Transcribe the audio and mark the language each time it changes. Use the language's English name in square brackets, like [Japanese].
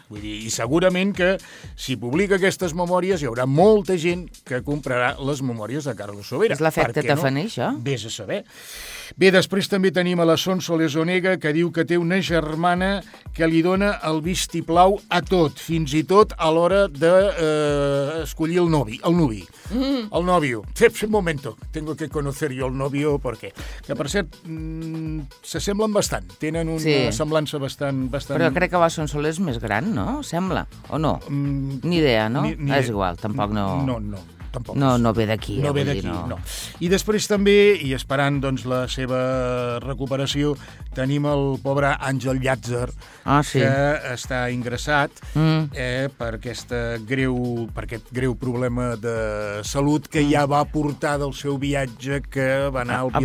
[Catalan] Vull dir, i segurament que si publica aquestes memòries hi haurà molta gent que comprarà les memòries de Carlos Sobera. És l'efecte tafaner, això. Vés a saber. Bé, després també tenim a la Sonso Lesonega que diu que té una germana que li dona el vistiplau a tot, fins i tot a l'hora de escollir el novi. El novi. Mm. [Spanish] El novio. Fep, un momento. Tengo que conocer yo el novio porque... [Catalan] Que, per cert, s'assemblen bastant. Tenen una semblança bastant... Però crec que la Sonso és més gran, no? Sembla. O no? Mm, ni idea, no? Ni és igual, tampoc no... No. Tampoc. No ve d'aquí. No ve d'aquí, no. I després també, i esperant doncs, la seva recuperació, tenim el pobre Àngel Llàtzer, que està ingressat per aquest greu problema de salut que ja va portar del seu viatge que va anar al